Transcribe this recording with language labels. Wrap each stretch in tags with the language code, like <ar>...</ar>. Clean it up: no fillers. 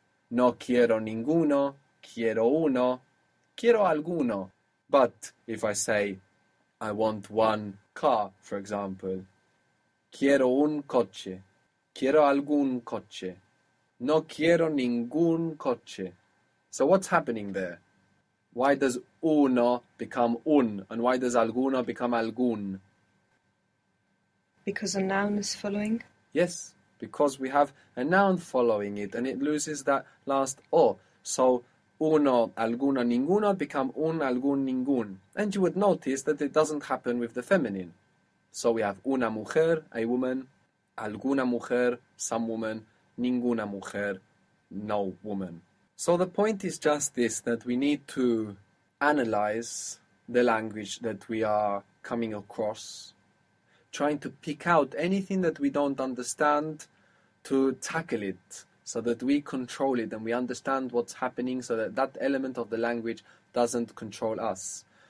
<es>No quiero ninguno, quiero uno, quiero alguno.</es> <en>But if I say I want one car, for example,</en> <es>quiero un coche, quiero algún coche, no quiero ningún coche.</es> <en>So what's happening there? Why does uno become un, and why does alguno become algún? Because a noun is following. Yes, because we have a noun following it, and it loses that last o.</en> <es>So uno, alguno, ninguno become un, algún, ningún.</es> <en>And you would notice that it doesn't happen with the feminine. So we have</en> <es>una mujer,</es> <en>a woman,</en> <es>alguna mujer,</es> <en>some woman,</en> <es>ninguna mujer,</es> <en>no woman. So the point is just this, that we need to analyze the language that we are coming across, trying to pick out anything that we don't understand to tackle it, so that we control it and we understand what's happening, so that that element of the language doesn't control us.</en>